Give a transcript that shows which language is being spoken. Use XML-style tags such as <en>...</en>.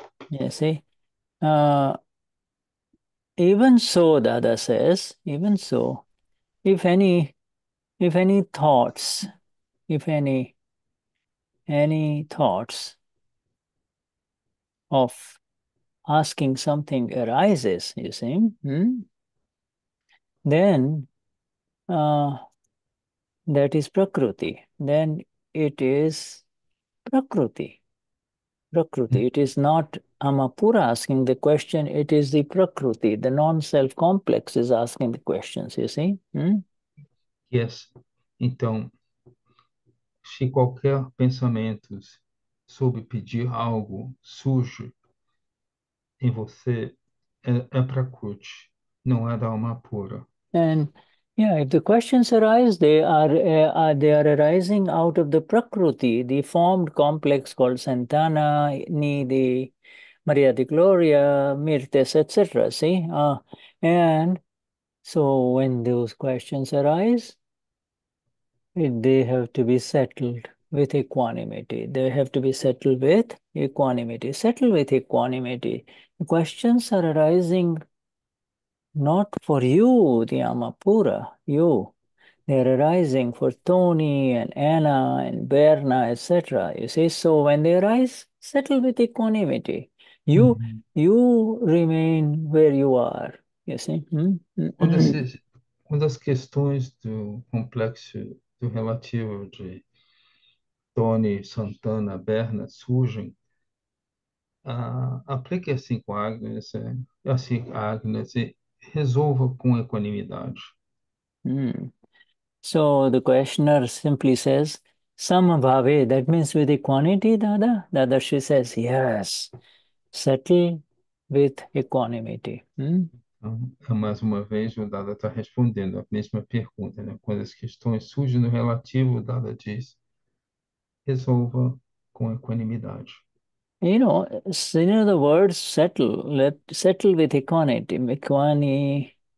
<en>You see, even so, Dada says, even so, if any thoughts of asking something arises, you see, then that is Prakriti. Then it is Prakriti. Prakriti. It is not Amapura asking the question, it is the Prakriti. The non-self complex is asking the questions, you see. Yes.</en> <pt>Então, se qualquer pensamento sobre pedir algo surge em você, é para Kurt, não é da alma pura.</pt> <en>And yeah, if the questions arise, they are arising out of the prakriti, the formed complex called santana, nidhi, Maria de Gloria, mirtes, etc. See? And so when those questions arise, they have to be settled with equanimity. They have to be settled with equanimity. Settle with equanimity. The questions are arising not for you, the Amapura, you. They're arising for Tony and Anna and Berna, etc. You see, so when they arise, settle with equanimity. You remain where you are, you see.</en> <pt>Quando as questões do complexo do relativo de Tony, Santana, Berna surgem, aplique assim com Agnes, assim Agnes, e resolva com equanimidade.</pt> <en>So the questioner simply says, Samabhave, that means with equanimity, Dada? Dada, she says, yes, settle with equanimity.</en> <pt>Mais uma vez, o Dada está respondendo a mesma pergunta, né? Quando as questões surgem no relativo, o Dada diz: resolva com equanimidade.</pt> <en>In other words, settle with equanimity.</en>